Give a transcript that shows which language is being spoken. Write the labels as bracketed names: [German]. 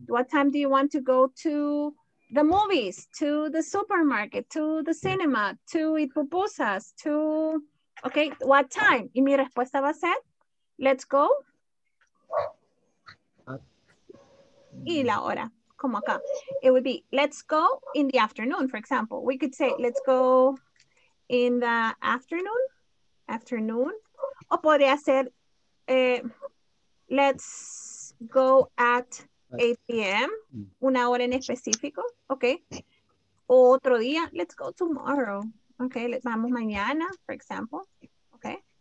[English] What time do you want to go to the movies, to the supermarket, to the cinema, to eat pupusas, to, okay, what time? [Spanish] Y mi respuesta va a ser, [English] let's go. [Spanish] Y la hora, como acá. [English] It would be, let's go in the afternoon, for example. We could say, let's go in the afternoon. [Spanish] O podría ser, [English] let's go at 8 p.m., [Spanish] una hora en específico, ok. O otro día, [English] let's go tomorrow, ok, [Spanish] vamos mañana, [English] for example, ok.